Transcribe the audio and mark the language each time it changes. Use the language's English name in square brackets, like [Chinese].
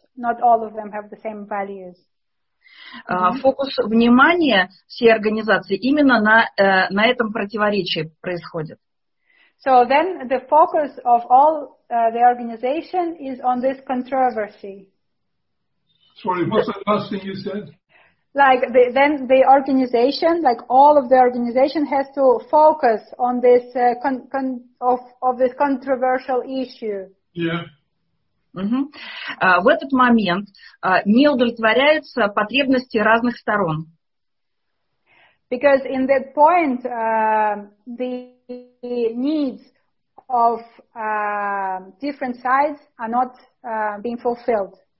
[English] Not all of them have the same values. [Russian] Фокус внимания всей организации именно на этом противоречии происходит. [English] So then the focus of all the organization is on this controversy. Sorry, what's the last thing you said? Like then the organization, like all of the organization has to focus on this of this controversial issue. Yeah. [Russian] В этот момент не удовлетворяются потребности разных сторон. [English] Because in that point the needs of different sides are not being fulfilled.